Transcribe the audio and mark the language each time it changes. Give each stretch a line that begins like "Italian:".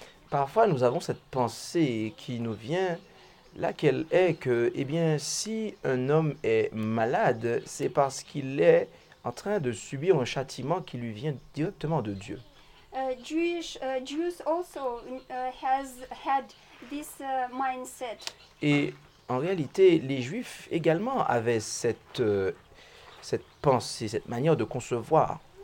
French: Parfois nous avons cette pensée qui nous vient laquelle est que eh bien si un homme est malade c'est parce qu'il est en train de subir un châtiment qui lui vient directement de Dieu.
English: Jews also has had this mindset.
French: Et en réalité, les Juifs également avaient cette pensée, cette manière de concevoir